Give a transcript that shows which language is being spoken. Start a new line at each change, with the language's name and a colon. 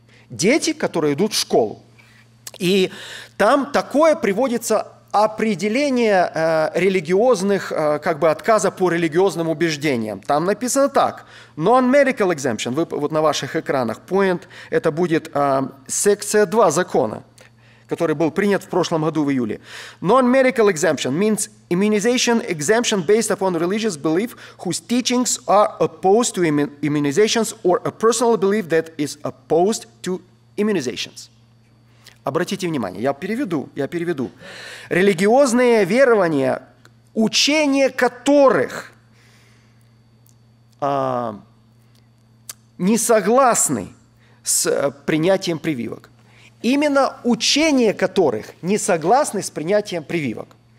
Russian: Дети, которые идут в школу. И там такое приводится определение религиозных, как бы отказа по религиозным убеждениям. Там написано так. Non-medical exemption, вот на ваших экранах, point, это будет секция 2 закона, который был принят в прошлом году в июле.
English: Non-medical exemption means immunization exemption based upon religious belief whose teachings are opposed to immunizations or a personal belief that is opposed to immunizations.
Russian: Обратите внимание, я переведу. Религиозные верования, учение которых не согласны с принятием прививок. Именно учение которых не согласны с принятием прививок.